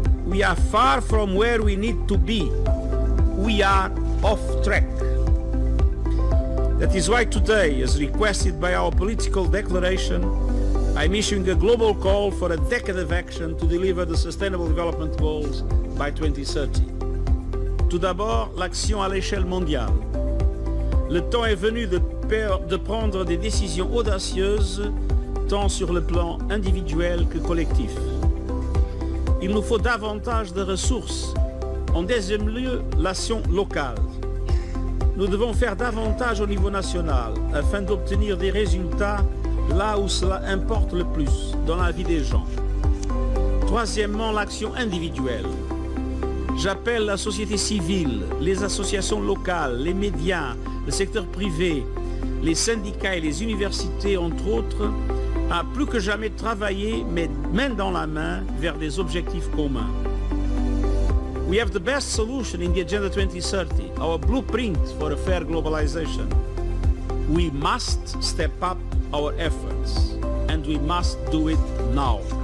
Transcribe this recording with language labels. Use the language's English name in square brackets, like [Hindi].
[English] We are far from where we need to be. We are off track. That is why today, as requested by our political declaration, I'm issuing a global call for a decade of action to deliver the Sustainable Development Goals by 2030. [French] Tout d'abord, l'action à l'échelle mondiale. Le temps est venu de prendre des décisions audacieuses, tant sur le plan individuel que collectif. Il nous faut davantage de ressources. En deuxième lieu, l'action locale. Nous devons faire davantage au niveau national afin d'obtenir des résultats là où cela importe le plus, dans la vie des gens. Troisièmement, l'action individuelle. J'appelle la société civile, les associations locales, les médias, le secteur privé, les syndicats et les universités, entre autres, à plus que jamais travailler, mais main dans la main, vers des objectifs communs. [English] We have the best solution in the Agenda 2030, our blueprint for a fair globalization. We must step up our efforts, and we must do it now.